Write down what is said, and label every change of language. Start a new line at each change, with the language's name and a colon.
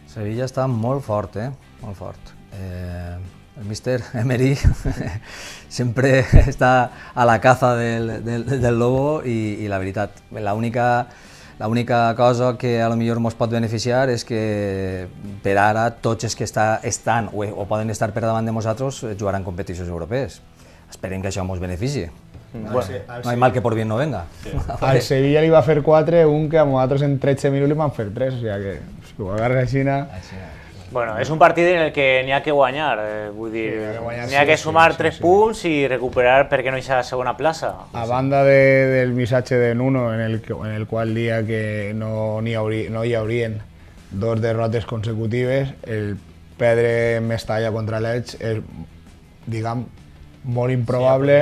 Catalan: Sevilla està molt fort, molt fort. El míster Emery sempre està
Spanish: a la caza del lobo
Catalan: i la veritat, l'única cosa que potser ens pot beneficiar és que per ara tots els que estan o poden estar per davant de nosaltres jugaran competicions europees. Esperem que això ens beneficie.
Spanish: No hay mal que por bien no venga.
Catalan: Al Sevilla li va fer 4, un que a nosaltres en 13 minuts li van fer 3, o sigui que si ho agarra així... Bueno, és un partit en el que n'hi ha que guanyar, vull dir, n'hi ha que sumar 3 punts i recuperar perquè no hi ha la segona plaça. A banda del missatge de Nuno, en el qual dia que no hi haurien dos derrotes consecutives, el perdre Mestalla contra l'Elx és, diguem, molt improbable.